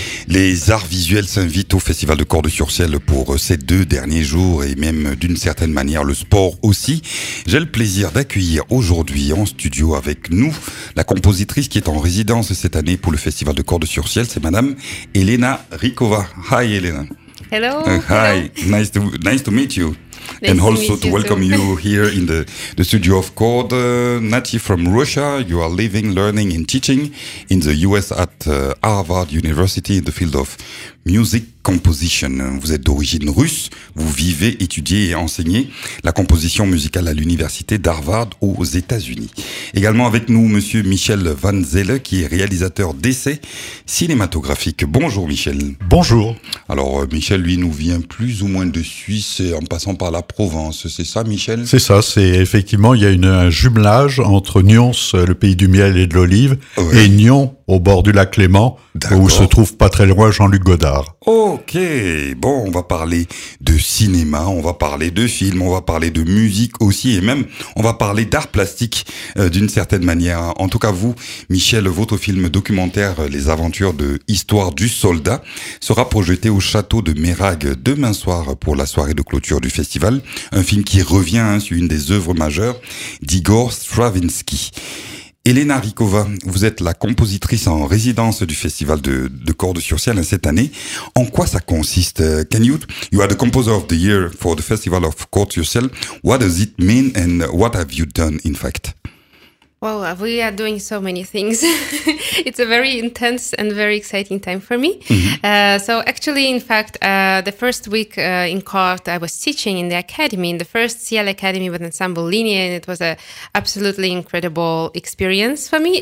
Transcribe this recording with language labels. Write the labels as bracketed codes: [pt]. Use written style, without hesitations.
[fr] Les arts visuels s'invitent au Festival de Cordes-sur-Ciel pour ces deux derniers jours et même d'une certaine manière le sport aussi. J'ai le plaisir d'accueillir aujourd'hui en studio avec nous la compositrice qui est en résidence cette année pour le Festival de Cordes-sur-Ciel, c'est madame Elena Rykova. [en] Hi Elena. Hello. Nice to meet you. And also to welcome you here in the studio of Cord, native from Russia. You are living, learning and teaching in the US at Harvard University in the field of music composition. [fr] Vous êtes d'origine russe, vous vivez, étudiez et enseignez la composition musicale à l'université d'Harvard aux États-Unis. Également avec nous, monsieur Michel Van Zelle, qui est réalisateur d'essais cinématographiques. Bonjour Michel. Bonjour. Alors Michel, lui, nous vient plus ou moins de Suisse en passant par la Provence, c'est ça Michel? C'est ça, c'est effectivement, il y a un jumelage entre Nyons, le pays du miel et de l'olive, ouais. Et Nyon, au bord du lac Léman, d'accord. Où se trouve pas très loin Jean-Luc Godard. Ok, bon, on va parler de cinéma, on va parler de films, on va parler de musique aussi, et même on va parler d'art plastique d'une certaine manière. En tout cas, vous, Michel, votre film documentaire Les Aventures de Histoire du Soldat sera projeté au château de Mérague demain soir pour la soirée de clôture du festival, un film qui revient sur une des œuvres majeures d'Igor Stravinsky. Elena Rykova, vous êtes la compositrice en résidence du Festival de Cordes-sur-Ciel cette année. En quoi ça consiste? [en] You are the composer of the year for the Festival of Cordes-sur-Ciel. What does it mean and what have you done in fact? Well, we are doing so many things. It's a very intense and very exciting time for me. Mm-hmm. The first week in court, I was teaching in the academy, in the first CL Academy with Ensemble Linie, and it was an absolutely incredible experience for me.